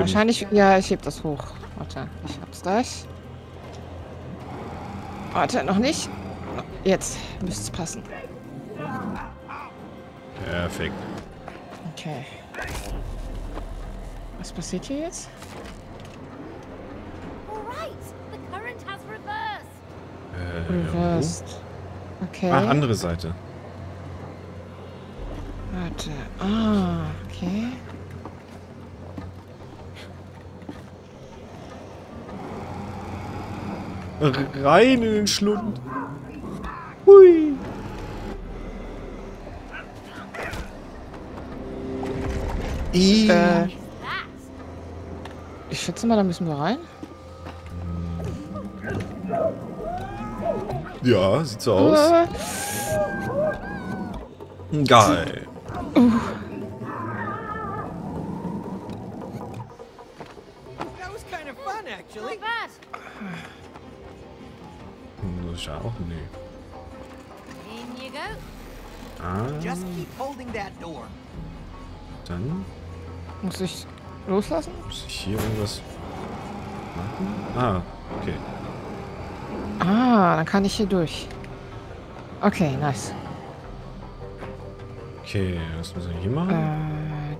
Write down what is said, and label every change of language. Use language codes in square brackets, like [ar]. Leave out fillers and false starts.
[de] Wahrscheinlich, ja, ich heb das hoch. Warte, ich hab's gleich. Warte, noch nicht. Jetzt müsste es passen. Perfekt. Okay. Was passiert hier jetzt? [en] Alright, the current has reversed. Reversed. Okay. [de] Ach, andere Seite. Warte. Ah, okay. Rein in den Schlund. Hui. Ich schätze mal, da müssen wir rein. Ja, sieht so aus. Geil. [en] That was kind of fun, actually. [de] Das ist ja auch nee. [en] In you go. Just keep holding that door. [de] Dann muss ich loslassen? Muss ich hier irgendwas machen? Ah, okay. Ah, dann kann ich hier durch. Okay, nice. Okay, was müssen wir hier machen?